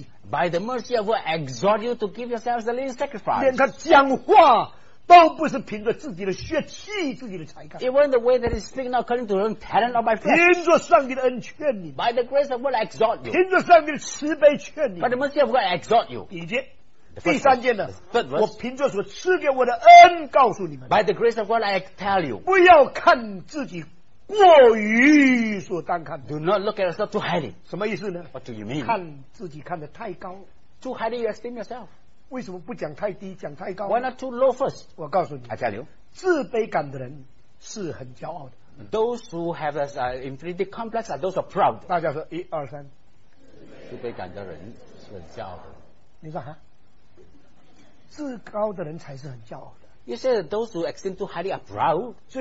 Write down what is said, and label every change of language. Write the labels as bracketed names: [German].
[English] By the mercy of God, I exhort you to give yourselves the living sacrifice. [Chinese] 连他讲话都不是凭着自己的血气、自己的才干。 [English] Even the way that he speaks not according to his own talent or my flesh. [Chinese] 凭着上帝的恩劝你。 [English] By the grace of God, I exhort you. [Chinese] 凭着上帝的慈悲劝你。 [English] By the mercy of God, I exhort you. [Chinese] 第三件呢, 我凭着所赐给我的恩告诉你们。 [English] By the grace of God, I tell you. [Chinese] 不要看自己。过于所当看的, [English] do not look at yourself too highly. [Chinese] 什么意思呢? [English] What do you mean? [Chinese] 看自己看得太高, [English] too highly you esteem yourself. [Chinese] 为什么不讲太低, 讲太高? [English] Why not too low first? [Chinese] 我告诉你, [English] I tell you, [Chinese] 自卑感的人是很骄傲的。 [English] Those who have an inferiority complex are those who are proud. [Chinese] 大家说, 一, 二, 三, 自卑感的人是很骄傲的。你说啊? 自高的人才是很骄傲的。 [English] You said that those who extend too highly are proud.